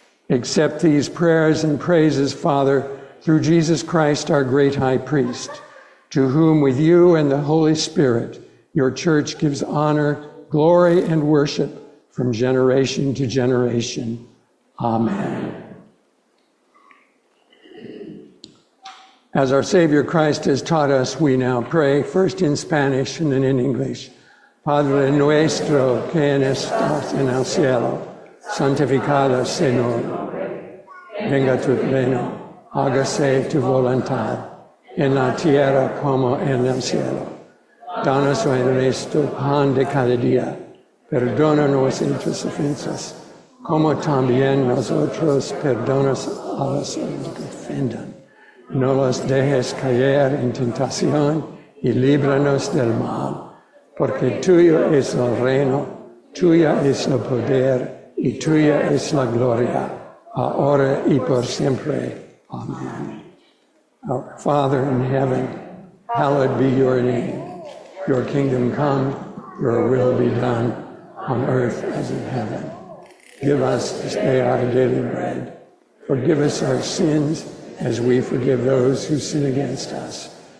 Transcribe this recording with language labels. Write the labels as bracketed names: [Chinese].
[English] Accept these prayers and praises, Father, through Jesus Christ, our great High Priest, to whom with you and the Holy Spirit, your church gives honor, glory, and worship from generation to generation. Amen. As our Savior Christ has taught us, we now pray, first in Spanish and then in English. [Spanish] Padre nuestro que estás en el cielo, santificado sea tu nombre. Venga tu reino, hágase tu voluntad, en la tierra como en el cielo. Danos hoy nuestro pan de cada día. Perdona nuestras ofensas, como también nosotros perdonamos a los que ofenden. No los dejes caer en tentación y líbranos del mal. porque tuyo es el reino, tuya es el poder y tuya es la gloria, ahora y por siempre. Amen. [English] Our Father in heaven, hallowed be your name. Your kingdom come, your will be done, on earth as in heaven. Give us this day our daily bread. Forgive us our sins, as we forgive those who sin against us.